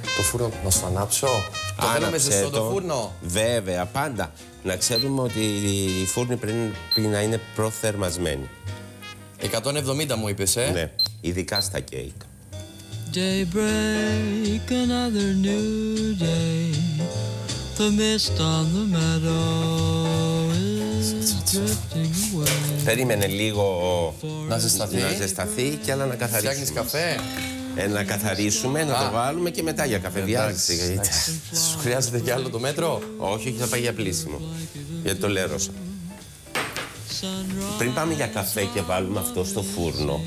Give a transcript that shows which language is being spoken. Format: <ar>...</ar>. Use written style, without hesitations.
<el>Φούρνο, να σου ανάψω. Άναψε το. Το κάναμε ζεστό το φούρνο. Βέβαια, πάντα. Να ξέρουμε ότι η φούρνη πρέπει να είναι προθερμασμένη. 170 μου είπες, ε. Ναι, ειδικά στα κέικ.</el> <en>Daybreak, another new day. The mist on the meadow is drifting away.</en> <el>Περίμενε λίγο να ζεσταθεί. Να ζεσταθεί και άλλα να καθαρίσουμε. Φτιάχνεις καφέ. Να καθαρίσουμε, να το βάλουμε και μετά για καφέ. Διάλυση. Σου χρειάζεται κι άλλο το μέτρο? Όχι, όχι, θα πάει για πλύσιμο. Γιατί το λέρωσα. Πριν πάμε για καφέ και βάλουμε αυτό στο φούρνο,</el>